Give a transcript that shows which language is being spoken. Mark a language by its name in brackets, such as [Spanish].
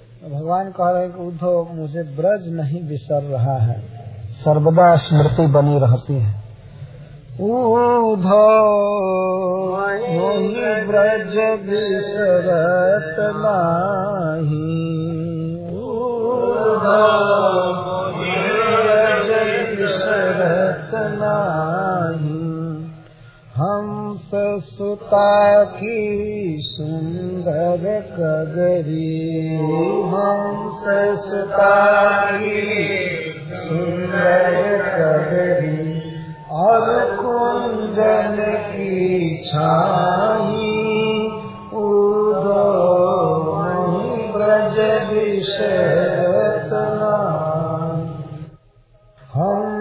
[Hindi] भगवान कह रहे हैं कि उधो मुझे ब्रज नहीं विसर रहा है, सर्वदा स्मृति बनी रहती है। [Braj] उधो मोहि ब्रज विसरत नाही, उधो मोहि ब्रज विसरत नाही। हंस सुता की सुंदर कगरी, हंस सुता की सुंदर कगरी, और कुंजन की छाही, उधो नहीं ब्रज विशरत नाही।